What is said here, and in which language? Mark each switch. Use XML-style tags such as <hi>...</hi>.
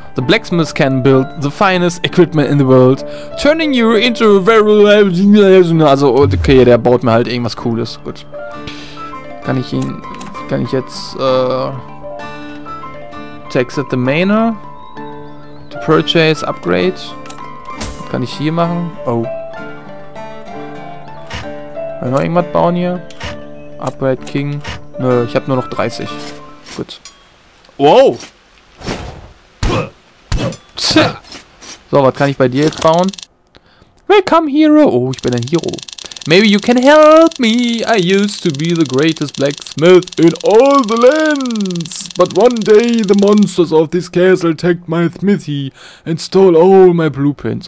<en>The blacksmith can build the finest equipment in the world, turning you into a very...</en> <de>Also, okay, der baut mir halt irgendwas Cooles. Gut. Kann ich jetzt, Tax at the Manor? To purchase, upgrade. Kann ich hier machen? Oh. Kann ich noch irgendwas bauen hier? Upgrade King. Nö, ich habe nur noch 30. Gut. Wow! So, was kann ich bei dir jetzt bauen?</de> <en>Welcome, Hero!</en> <de>Oh, ich bin ein Hero.</de> <en>Maybe you can help me. I used to be the greatest blacksmith in all the lands. But one day the monsters of this castle attacked my smithy and stole all my blueprints.</en>